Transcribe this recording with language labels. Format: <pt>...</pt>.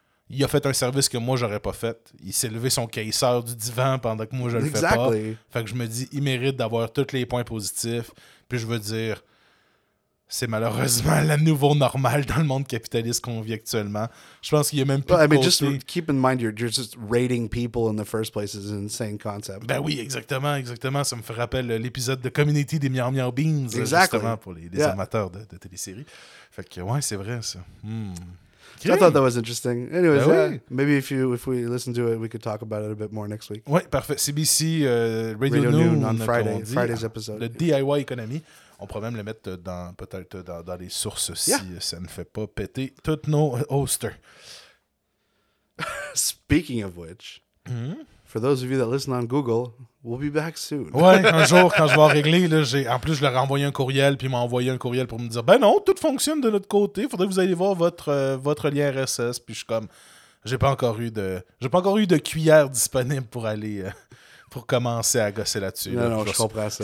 <fr>Il a fait un service que moi, j'aurais pas fait. Il s'est levé son caisseur du divan pendant que moi, je le fais pas. Fait que je me dis, il mérite d'avoir tous les points positifs. Puis je veux dire, c'est malheureusement le nouveau normal dans le monde capitaliste qu'on vit actuellement. Je pense qu'il y a même plus de côté.</fr> <en>Just keep in mind, you're just rating people in the first place is an insane concept.</en> <fr>Ben oui, exactement, exactement. Ça me fait rappel l'épisode de Community des Miao Miao Beans.</fr> <en>Exactly.</en> <fr>Justement, pour les amateurs de téléséries. Fait que ouais, c'est vrai ça.</fr> <en>Okay. So I thought that was interesting. Anyways, maybe if we listen to it, we could talk about it a bit more next week.</en> <fr>Oui, parfait. CBC Radio Noon</fr> <en>on Friday. Friday's episode.</en> <fr>Le DIY economy. On pourrait même le mettre dans les sources si ça ne fait pas péter toutes nos hosters.</fr> <en>Speaking of which, for those of you that listen on Google, we'll be back soon.</en> <fr>Ouais, un jour, quand je vais régler, là, en plus, je leur ai envoyé un courriel, puis ils m'ont envoyé un courriel pour me dire « Ben non, tout fonctionne de notre côté, il faudrait que vous alliez voir votre lien RSS. » Puis je suis comme « J'ai pas encore eu de cuillère disponible pour aller... » pour commencer à gosser là-dessus. Je comprends ça.</fr>